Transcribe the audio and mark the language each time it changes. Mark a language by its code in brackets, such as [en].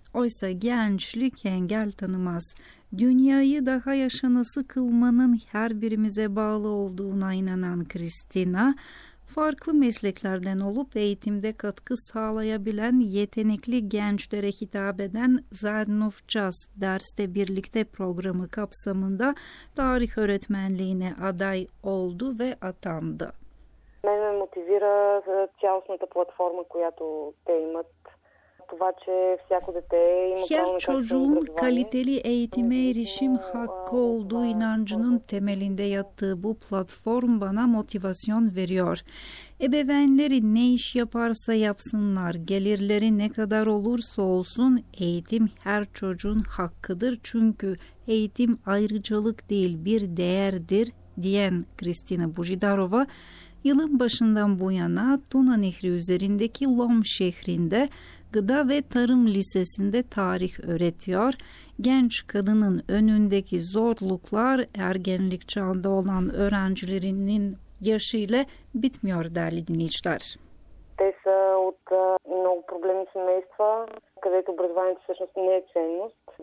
[tr] Oysa gençlik engel tanımaz. Dünyayı daha yaşanası kılmanın her birimize bağlı olduğuna inanan Kristina, farklı mesleklerden olup eğitimde katkı sağlayabilen yetenekli gençlere hitap eden Zen of Jazz derste birlikte programı kapsamında tarih öğretmenliğine aday oldu ve atandı. [bg] Мене мотивира цялостната платформа, която те имат. Това, че всяко дете има право на качествено образование. [tr] Erişim hakkı olduğu inancının temelinde yattığı bu platform bana motivasyon veriyor. Ebeveynleri ne iş yaparsa yapsınlar, gelirleri ne kadar olursa olsun eğitim her çocuğun hakkıdır. Çünkü eğitim ayrıcalık değil bir değerdir diyen Kristina Bujidarova, yılın başından bu yana Tuna Nehri üzerindeki Lom şehrinde Gıda ve Tarım Lisesi'nde tarih öğretiyor. Genç kadının önündeki zorluklar ergenlik çağında olan öğrencilerinin yaşıyla bitmiyor değerli dinleyiciler. [bg] Те са от много проблемни семейства, където образованието всъщност не е ценност.